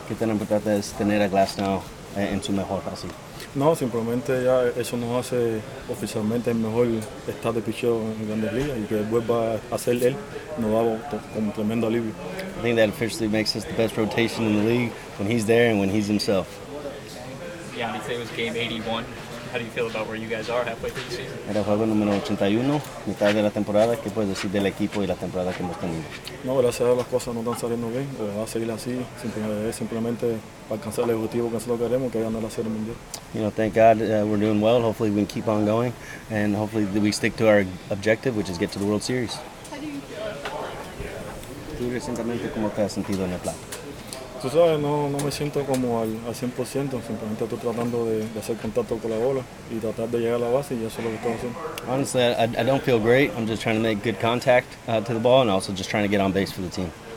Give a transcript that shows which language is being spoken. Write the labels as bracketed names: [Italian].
[Spanish] ¿Qué tan importante es tener a Glasnow en su mejor fase? No, simplemente ya eso nos hace oficialmente el mejor estado de picheo en Grandes Ligas y que vuelva a ser él nos da como tremendo alivio. [English] I think that officially makes us the best rotation in the league when he's there and when he's himself. Yeah, I'd say it was game 81. How do you feel about where you guys are halfway through the season? [Spanish] Era juego número 81, mitad de la temporada. ¿Qué puedes decir del equipo y la temporada que hemos tenido? No, gracias a Dios las cosas no están saliendo bien. Va a seguir así, simplemente para alcanzar el objetivo que nosotros queremos, que es ganar la Serie Mundial. [English] You know, thank God we're doing well. Hopefully we can keep on going. And hopefully we stick to our objective, which is get to the World Series. [Spanish] ¿Tú recientemente cómo te has sentido en el plan? Tú sabes, no me siento como al 100%, simplemente estoy tratando de hacer contacto con la bola y tratar de llegar a la base y eso es lo que estoy haciendo. [English] Honestly, I don't feel great. I'm just trying to make good contact to the ball and also just trying to get on base for the team.